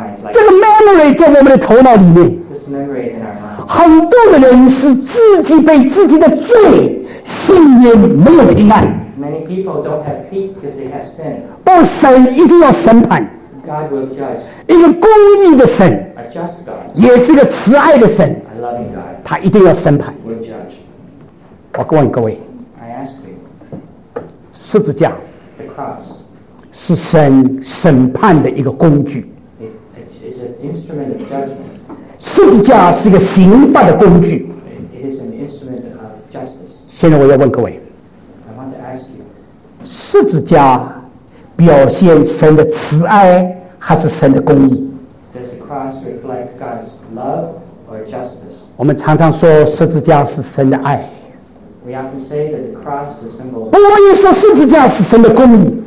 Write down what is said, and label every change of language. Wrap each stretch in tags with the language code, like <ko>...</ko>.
<zh>这个 memory 在我们的头脑里面，很多的人是自己被自己的罪信念没有平安。</zh> <en>Many people don't have peace because they have sin.</en> <zh>到神一定要审判。</zh> <en>God will judge.</en> <zh>一个公义的神。</zh> <en>A just God.</en> <zh>也是一个慈爱的神。</zh> <en>A loving God.</en> <zh>他一定要审判。</zh> <en>Will judge.</en> <zh>我问各位。</zh> <en>I ask you.</en> <zh>十字架。</zh> <en>The cross.</en> <zh>是神审判的一个工具。</zh> <en>It is an instrument of judgment.</en> <zh>十字架是一个刑罚的工具。</zh> <en>It is an instrument of justice.</en> <zh>现在我要问各位，</zh> <en>I want to ask you,</en> <zh>十字架表现神的慈爱还是神的公义？</zh> <en>Does the cross reflect God's love or justice?</en> <zh>我们常常说十字架是神的爱。</zh> <en>We often say that the cross is a symbol of...</en> <zh>不，我们也说十字架是神的公义。</zh>